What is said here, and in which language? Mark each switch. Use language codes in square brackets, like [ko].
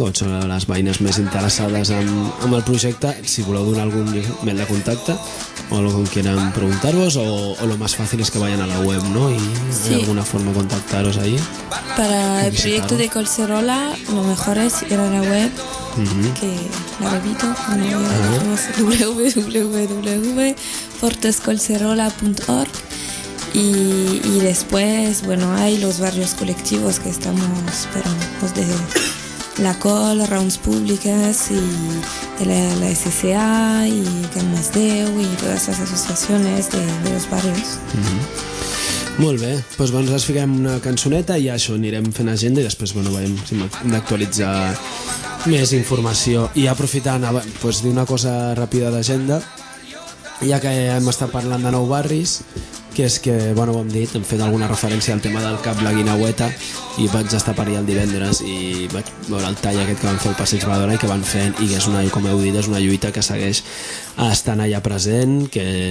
[ca] Com són les veïnes més interessades en el projecte, si voleu donar algun mail de contacte o el que [es] quieran [ca] preguntar-vos, o el més fàcil és que vagin a la web, no? I sí, hi ha alguna forma de contactar-vos allí. Per al projecte de Collserola, el millor és [es] ir [ca] a la web. [es] Que la repito, www.portescolcerola.org, y después, bueno, hay los barrios colectivos que estamos, pero los de la Col, Rounds Públicas y la SCA y Canmas Deu y todas las asociaciones de los barrios. [ca] Molt bé, doncs bé, nosaltres fiquem una cançoneta i això, anirem fent agenda i després, bueno, veiem si hem d'actualitzar més informació. I aprofitant, doncs, dir una cosa ràpida d'agenda, ja que hem estat parlant de Nou Barris, que és que, bueno, ho hem dit, hem fet alguna referència al tema del cap La Guinaueta i vaig estar per allà el divendres i vaig veure el tall aquest que van fer el Passeig Badona i que van fent, i que és una, com heu dit, és una lluita que segueix estant allà present, que